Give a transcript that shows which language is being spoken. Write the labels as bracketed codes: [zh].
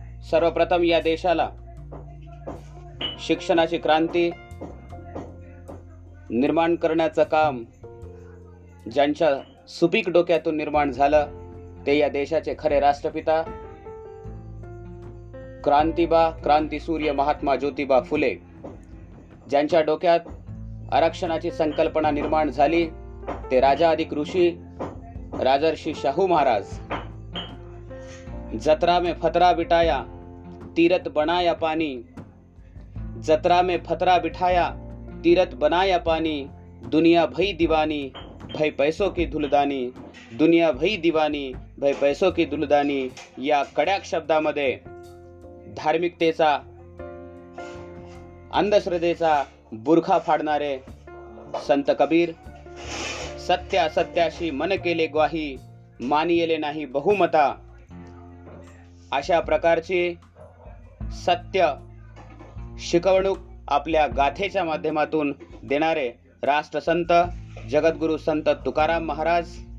[mr] सर्वप्रथम या देशाला शिक्षणाची क्रांती निर्माण करण्याचं काम ज्यांच्या सुपीक डोक्यातून निर्माण झालं ते या देशाचे खरे राष्ट्रपिता क्रांतिबा क्रांतीसूर्य महात्मा ज्योतिबा फुले, ज्यांच्या डोक्यात आरक्षणाची संकल्पना निर्माण झाली ते राजा अधिक ऋषी राजर्षी शाहू महाराज। [hi] जत्रा में फतरा बिठाया तीरथ बनाया पानी, जत्रा में फतरा बिठाया तीरथ बनाया पानी, दुनिया भई दीवानी भई पैसों की धुलदानी, दुनिया भई दीवानी भई पैसों की धुलदानी। [mr] या कड्याक शब्दामध्ये धार्मिकतेचा अंधश्रद्धेचा बुरखा फाडणारे संत कबीर, सत्य असत्याशी मन केले ग्वाही मानिले नाही बहुमता, अशा प्रकारची सत्य शिकवणूक आपल्या गाथेच्या माध्यमातून देणारे राष्ट्रसंत जगद्गुरु संत तुकाराम महाराज,